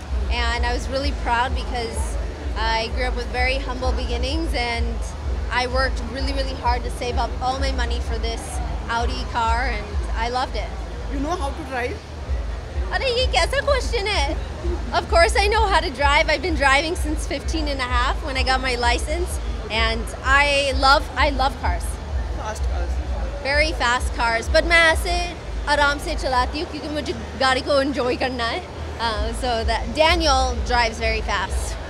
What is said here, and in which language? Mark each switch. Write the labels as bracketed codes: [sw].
[en] And I was really proud because I grew up with very humble beginnings and I worked really, really hard to save up all my money for this Audi car and I loved it. You know how to drive? [hi] अरे ये कैसा question है? [en] Of course I know how to drive. I've been driving since 15 and a half when I got my license. And I love cars. Fast cars. Very fast cars. [hi] But मैं ऐसे आराम से चलाती हूँ क्योंकि मुझे गाड़ी को enjoy करना है. [en] So that Daniel drives very fast.